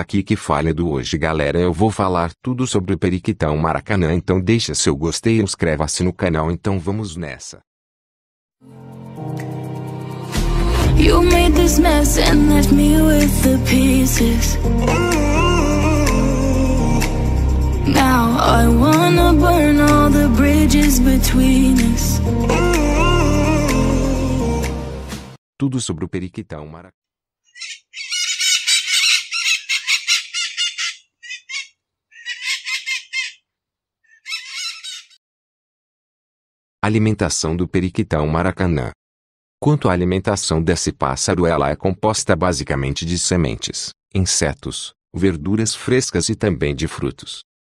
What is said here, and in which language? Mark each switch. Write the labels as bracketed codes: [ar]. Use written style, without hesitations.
[pt] Aqui que fala Edu hoje, galera. Eu vou falar tudo sobre o Periquitão Maracanã. Então deixa seu gostei e inscreva-se no canal. Então vamos nessa. [en] You made this mess and left me with the pieces. Now I wanna burn all the bridges between us. [pt] Tudo sobre o Periquitão Maracanã. Alimentação do periquitão maracanã. Quanto à alimentação desse pássaro, ela é composta basicamente de sementes, insetos, verduras frescas e também de frutos.